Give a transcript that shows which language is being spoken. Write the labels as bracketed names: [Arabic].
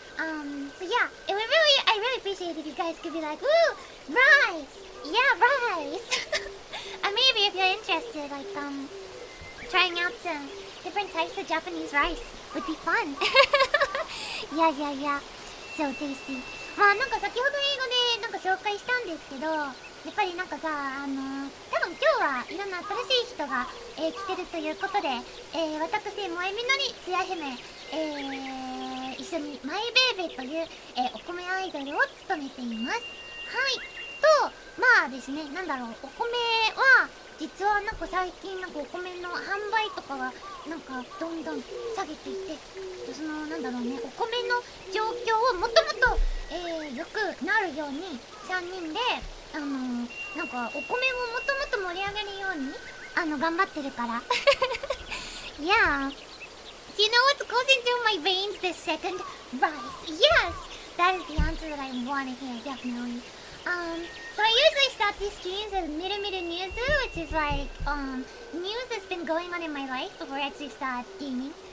[English] So yeah, it would really, I really appreciate it if you guys could be like, woo, rice! Yeah, rice! And maybe if you're interested, like, trying out some different types of Japanese rice would be fun. Yeah, yeah, yeah. So tasty. [Japanese] まあなんか先ほど英語でなんか紹介したんですけど、やっぱりなんかさ、多分今日はいろんな新しい人が、来てるということで、私、萌えみのり、つや姫、一緒にマイベーベという、お米アイドルを務めています。はい。と、まあですね、なんだろう、お米は、実はなんか最近なんかお米の販売とかがなんかどんどん下げていて、そのなんだろうね、お米の状況をもともと良くなるように3人でなんかお米をもともと盛り上げるように頑張ってるから。 [English] Yeah. Do you know what's causing through my veins this second rice? Yes! That is the answer that I want to hear, definitely. So I usually start these streams with Miru Miru News, which is like, news that's been going on in my life before I actually start gaming.